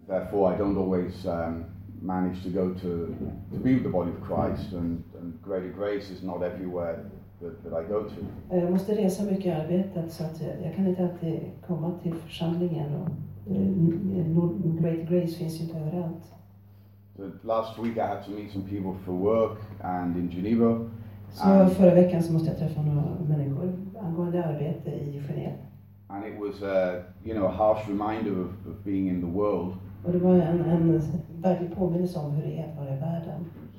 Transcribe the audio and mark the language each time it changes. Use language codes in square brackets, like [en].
[en] therefore I don't always manage to go to be with the body of Christ, and greater grace is not everywhere that I go to. [sv] Jag måste resa mycket i arbetet, så att jag kan inte alltid komma till församlingen, och [en] great grace [sv] finns inte överallt. [en] So last week I had to meet some people for work and in Geneva. [sv] Så förra veckan så måste jag träffa några människor angående arbete i Genève. [en] And it was a, you know, a harsh reminder of being in the world. [sv] Och det var en väldig påminnelse om hur det är att vara i världen.